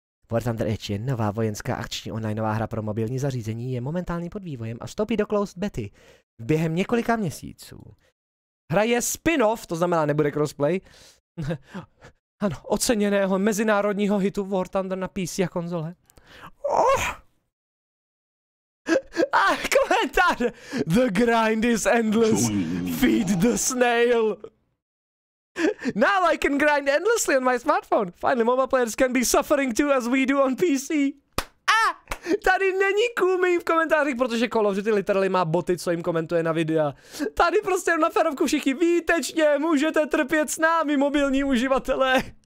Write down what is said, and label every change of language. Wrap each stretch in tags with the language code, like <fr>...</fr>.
<cs>War Thunder Edge je nová vojenská akční onlineová hra pro mobilní zařízení, je momentálně pod vývojem a vstoupí do closed bety během několika měsíců. Hra je spin-off, to znamená nebude crossplay. Ano, oceněného mezinárodního hitu War Thunder na PC a konzole. Oh! A komentář!</cs> <en>The grind is endless, feed the snail! Now I can grind endlessly on my smartphone. Finally, mobile players can be suffering too as we do on PC.</en> <cs>Ah, tady není kůmy v komentářích, protože Call of Duty literally má boty, co jim komentuje na videa. Tady prostě na ferovku všichni výtečně můžete trpět s námi, mobilní uživatelé.</cs>